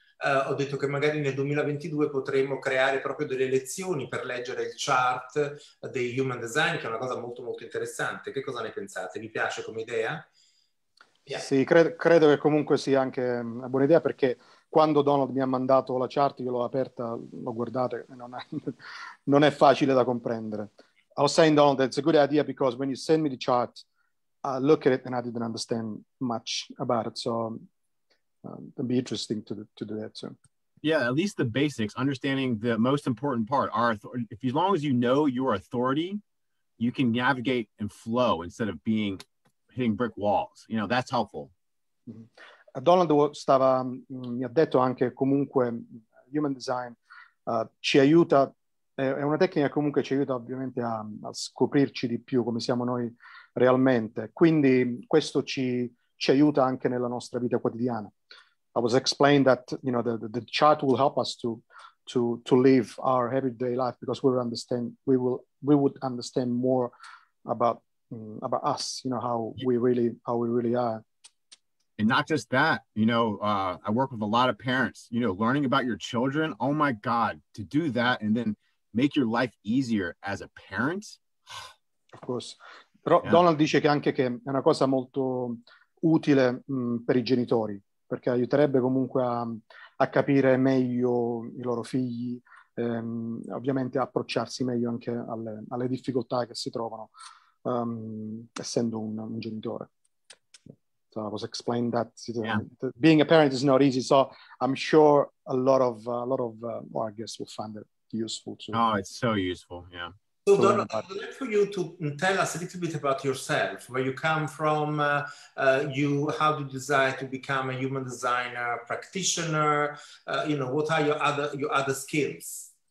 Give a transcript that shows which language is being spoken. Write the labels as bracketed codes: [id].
[it] Ho detto che magari nel 2022 potremmo creare proprio delle lezioni per leggere il chart dei human design, che è una cosa molto molto interessante. Che cosa ne pensate? Vi piace come idea? [en] Yeah. [it] Sì, credo che comunque sia anche una buona idea, perché quando Donald mi ha mandato la chart, io l'ho aperta, l'ho guardata, non è facile da comprendere. [en] I was saying, Donald, it's a good idea because when you send me the chart, I look at it and I didn't understand much about it, so it'd be interesting to do that too. Yeah, at least the basics, understanding the most important part. If as long as you know your authority, you can navigate and flow instead of being hitting brick walls. You know, that's helpful. Mm-hmm. [it] Donald stava mi ha detto anche comunque human design ci aiuta, è una tecnica comunque ci aiuta ovviamente a scoprirci di più come siamo noi realmente. Quindi questo ci aiuta anche nella nostra vita quotidiana. [en] I was explained that, you know, the chart will help us to live our everyday life because we would understand more about us, you know, how we really are. And not just that, you know, I work with a lot of parents, you know, learning about your children. Oh my God, to do that and then make your life easier as a parent. Of course. [it] Però [en] yeah. [it] Donald dice che anche che è una cosa molto utile per i genitori, perché aiuterebbe comunque a capire meglio i loro figli, ovviamente approcciarsi meglio anche alle difficoltà che si trovano essendo un genitore. [en] So I was explained that being a parent is not easy, so I'm sure a lot of guests will find it useful too. Oh, it's so useful, yeah. So Donald, I'd like for you to tell us a little bit about yourself, where you come from, how did you decide to become a human designer, practitioner, what are your other skills?